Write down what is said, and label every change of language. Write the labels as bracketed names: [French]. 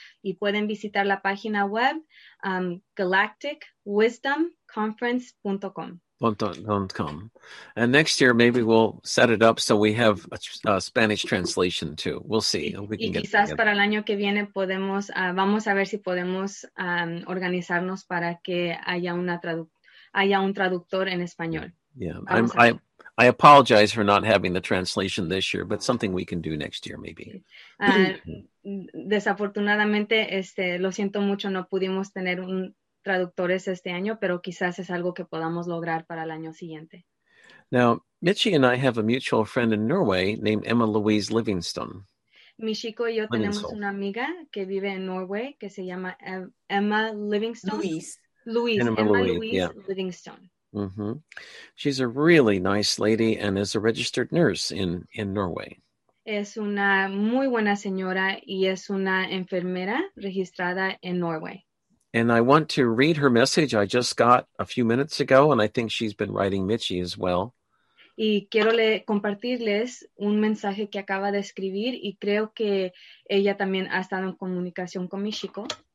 [Spanish] Y pueden visitar la página web galacticwisdomconference.com. [English] .com. And next year, maybe we'll set it up so we have a Spanish translation too. We'll see. We can [Spanish] y quizás [English] get together. [Spanish] Para el año que viene podemos, vamos a ver si podemos organizarnos para que haya una traducción. Haya un traductor en español. [English] Yeah, I apologize for not having the translation this year, but something we can do next year, maybe. [Spanish] Desafortunadamente, lo siento mucho, no pudimos tener un traductores este año, pero quizás es algo que podamos lograr para el año siguiente. [English] Now, Mitchie and I have a mutual friend in Norway named Emma Louise Livingston. [Spanish] Michiko y yo tenemos una amiga que vive en Norway que se llama Emma Livingston. [English] Louise Livingstone. Mm-hmm. She's a really nice lady and is a registered nurse in Norway. [Spanish] Es una muy buena señora y es una enfermera registrada en Norway. [English] And I want to read her message I just got a few minutes ago, and I think she's been writing Mitchie as well. [Spanish] Y quiero compartirles un mensaje que acaba de escribir y creo que ella también ha estado en comunicación con Michiko.